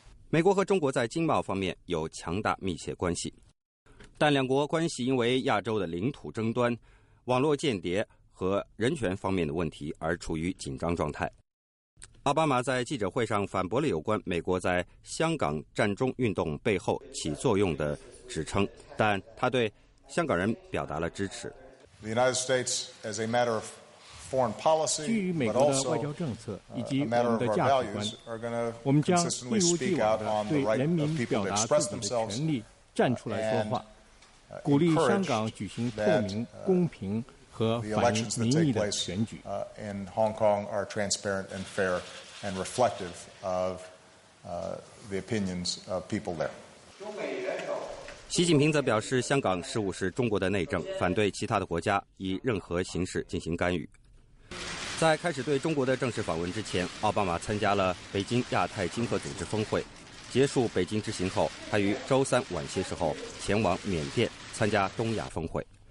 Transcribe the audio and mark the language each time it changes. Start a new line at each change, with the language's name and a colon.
Chinese: 美国和中国在经贸方面有强大密切关系，但两国关系因为亚洲的领土争端、网络间谍和人权方面的问题而处于紧张状态。奥巴马在记者会上反驳了有关美国在香港占中运动背后起作用的指称，但他对香港人表达了支持。
English: The United States, as a matter of foreign policy,
Chinese: 基于美国的外交政策以及我们的价值观，我们将一如既往地对人民表达自己的权利站出来说话，鼓励香港举行透明、公平和反映民意的选举。
English: In Hong Kong are transparent and fair and reflective of the opinions of people there.
Chinese: 习近平则表示，香港事务是中国的内政，反对其他的国家以任何形式进行干预。在开始对中国的正式访问之前，奥巴马参加了北京亚太经合组织峰会。结束北京之行后，他于周三晚些时候前往缅甸参加东亚峰会。